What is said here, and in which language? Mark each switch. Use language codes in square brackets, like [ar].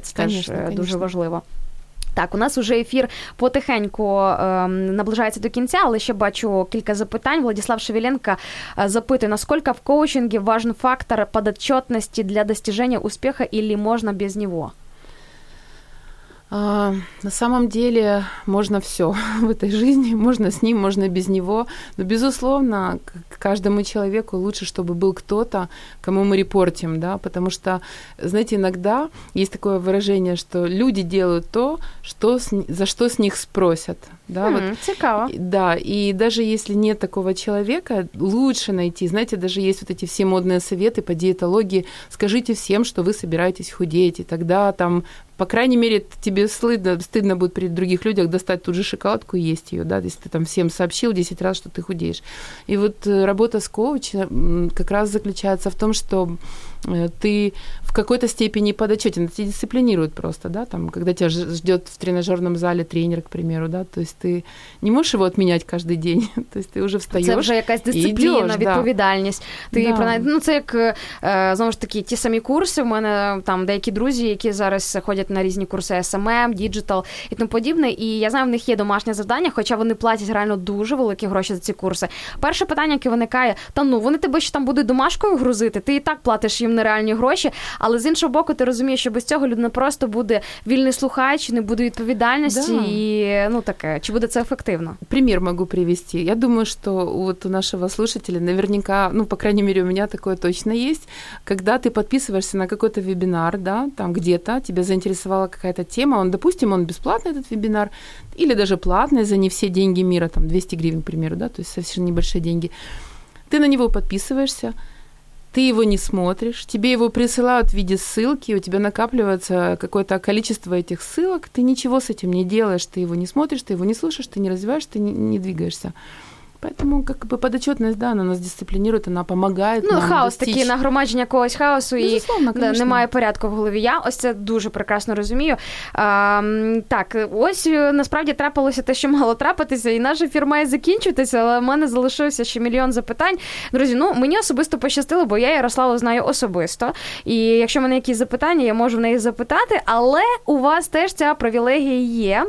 [uk] Це теж дуже важливо. Так, у нас уже ефір потихеньку наближається до кінця, але ще бачу кілька запитань. Владислав Шевеленко запитує, наскільки в [ru] коучинге важен [uk] фактор підотчетності для достіження успіху або можна без нього? [ru] На самом деле можно все в этой жизни, можно с ним, можно без него, но, безусловно, каждому человеку лучше, чтобы был кто-то, кому мы репортим, да, потому что, знаете, иногда есть такое выражение, что люди делают то, что за что с них спросят. Да, [uk] вот. Цікаво. [ru] Да, и даже если нет такого человека, лучше найти, знаете, даже есть вот эти все модные советы по диетологии, скажите всем, что вы собираетесь худеть, и тогда там, по крайней мере, тебе стыдно будет при других людях достать ту же шоколадку и есть ее, да, если ты там всем сообщил 10 раз, что ты худеешь. И вот работа с коучем как раз заключается в том, что ты в какой-то степени подотчетен, тебя дисциплинируют просто, да, там, когда тебя ждет в тренажерном зале тренер, к примеру, да, то есть ты не можешь его отменять каждый день, то есть ты уже встаешь. Это уже какая-то дисциплина, [uk] відповідальність. [ru] Да. Ты да. [uk] Ну, це як, знову ж таки, ті самі курси, у мене там деякі друзі, які зараз ходять на різні курси SMM, Digital і тому подібне, і я знаю, в них є домашнє завдання, хоча вони платять реально дуже великі гроші за ці курси. Перше питання, яке виникає, та ну, вони тебе ще там будуть домашкою грузити, ти і так платиш їм нереальні гроші, але з іншого боку, ти розумієш, що без цього людина просто буде вільний слухач, не буде відповідальності, [ru] да. [uk] І ну таке. Чи буде це ефективно? Примір можу привести. Я думаю, що от у нашого [ru] слушателя наверняка, ну, по крайней мере, [uk] у мене таке точно є. Коли ти підписуєшся на [ru] какой-то вебінар, да, там где-то тебе заинтересовала какая-то тема, он, допустим, он бесплатный этот вебінар, или даже платный за не все деньги мира, там 200 гривен, к примеру, да, то есть совсем небольшие деньги. Ты на него подписываешься, ты его не смотришь, тебе его присылают в виде ссылки, у тебя накапливается какое-то количество этих ссылок, ты ничего с этим не делаешь, ты его не смотришь, ты его не слушаешь, ты не развиваешь, ты не двигаешься. Поэтому как бы подотчетность, да, она нас дисциплинирует, она помогает нам достичь. [uk] Ну, хаос такий, нагромадження якогось хаосу, і немає порядку в голові. Я ось це дуже прекрасно розумію. Так, ось насправді трапилося те, що мало трапитися, і наш ефір має закінчитися, але в мене залишився ще мільйон запитань. Друзі, ну, мені особисто пощастило, бо я Ярославу знаю особисто, і якщо в мене якісь запитання, я можу в неї запитати, але у вас теж ця привілегія є.